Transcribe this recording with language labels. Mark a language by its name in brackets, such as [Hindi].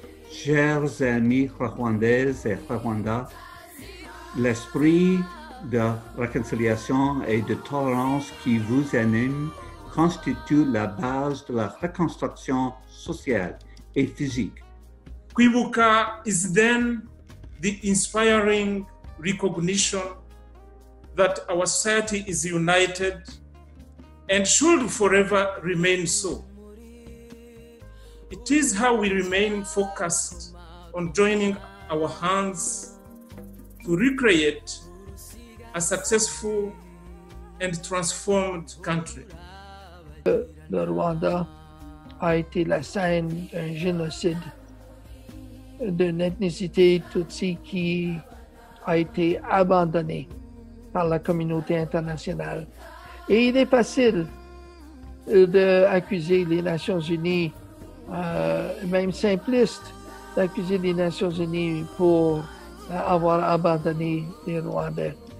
[French] Chers amis rwandais et rwandais, l'esprit de réconciliation et de tolérance qui vous anime constitue la base de la reconstruction sociale et physique. [English] Kwibuka is then the inspiring recognition that our society is united and should forever remain so. It is how we remain focused on joining our hands to recreate a successful and transformed country. [French] Le Rwanda a été la scène d'un génocide d'une ethnicité Tutsi qui a été abandonnée par la communauté internationale. Et il est facile d'accuser les Nations Unies, même simpliste, d'accuser les Nations Unies pour avoir abandonné les Rwandais.